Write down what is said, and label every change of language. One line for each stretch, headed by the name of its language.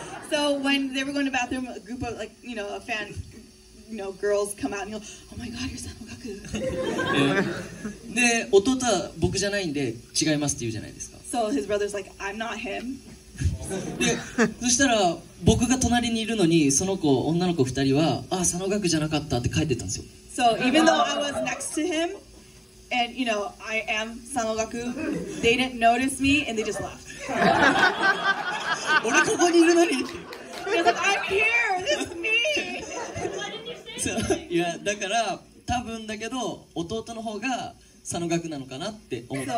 English: So when they were going to the bathroom, a group of like, you know, a fan, you know, girls come out and go, "Oh my god, you're
Japanese: 佐野岳。で、弟は僕じゃないんで違いますって言うじゃないですか。
English: So his brother's like, "I'm not him."
Japanese: で、そしたら僕が隣にいるのに、その子、女の子二人は、あ、佐野岳じゃなかったって書いてたんですよ。
English: So even though I was next to him. And you know, I am Sano Gaku. They didn't notice me and they just left. They're like, I'm here, this is me. Why didn't you say so, yeah,
Japanese: だから、多分だけど、弟の方がSano Gakuなのかなって思った。